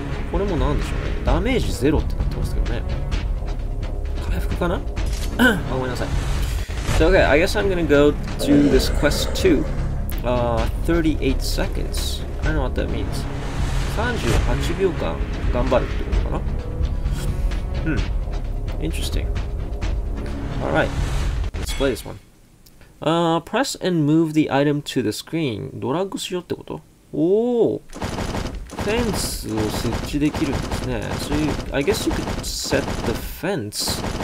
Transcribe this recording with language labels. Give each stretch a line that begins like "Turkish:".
Japanese: これもなんでしょうね。ダメージゼロってなってますけどね。回復かな？あ、ごめんなさい。
English: So, okay, I guess I'm gonna go to this quest 2. 38 seconds. I don't know what that means.
Japanese: 38秒間頑張るってことかな。
English: Interesting. Alright. Let's play this one. Press and move the item to the screen.
Japanese: ドラッグしようってこと？おお。フェンスを設置できるんですね。
English: So you, I guess you could set the fence.